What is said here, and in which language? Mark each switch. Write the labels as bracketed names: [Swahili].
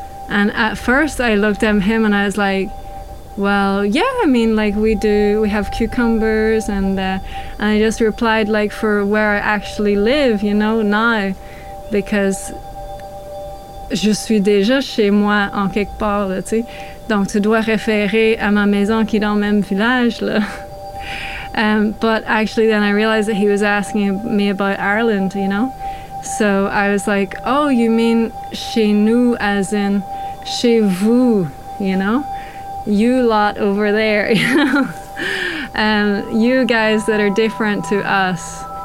[English] And at first I looked at him and I was like, well, yeah, I mean, like, we do, we have cucumbers, and I just replied, like, for where I actually live, you know, now, because [French] je suis déjà chez moi en quelque part, là, tu sais. Donc, tu dois référer à ma maison qui est dans le même village, là. [English] But actually, then I realized that he was asking me about Ireland, you know. So I was like, oh, you mean [French] chez nous, [English] as in [French] chez vous, [English] you know. You lot over there, you guys that are different to us.